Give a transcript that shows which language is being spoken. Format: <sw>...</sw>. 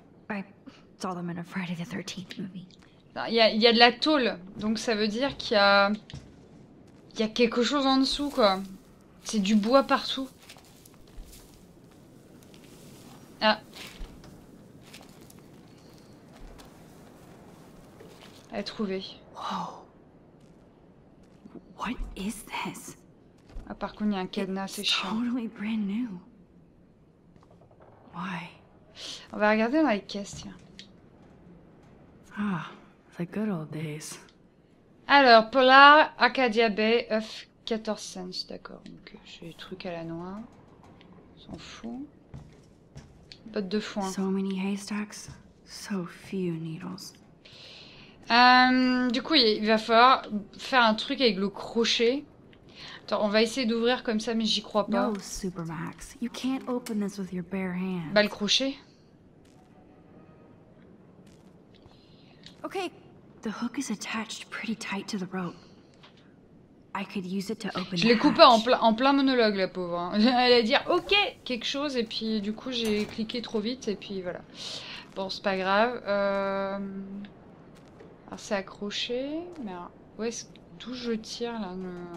<en>I saw them in a Friday the 13th movie.</en> <fr>Il y a de la tôle, donc ça veut dire qu'il y a. Il y a quelque chose en dessous, quoi. C'est du bois partout. Ah. Elle a trouvé.</fr> <en>Wow. What is this?</en> <fr>Ah, par contre, il y a un cadenas, c'est chiant.</fr> <en>It's totally brand new. Why?</en> <fr>On va regarder dans les caisses, tiens.</fr> <en>Ah. The good old days.</en> <fr>Alors, Polar, Arcadia Bay, œuf, 14 cents, d'accord. Donc, j'ai des trucs à la noix. S'en fout. Botte de foin.</fr> <en>So many haystacks, so few needles.</en> <fr>Du coup, il va falloir faire un truc avec le crochet. Attends, on va essayer d'ouvrir comme ça, mais j'y crois pas.</fr> <en>No, Supermax. You can't open this with your bare hands.</en> <fr>Bah, le crochet.</fr> <en>Okay, the hook is attached pretty tight to the rope. I could use it to open.</en> <fr>Je l'ai coupé en plein monologue, la pauvre. Hein. Elle a dit OK quelque chose et puis du coup j'ai cliqué trop vite et puis voilà. Bon, c'est pas grave. Alors, c'est accroché, mais où est-ce D'où je tire là, ne...</fr>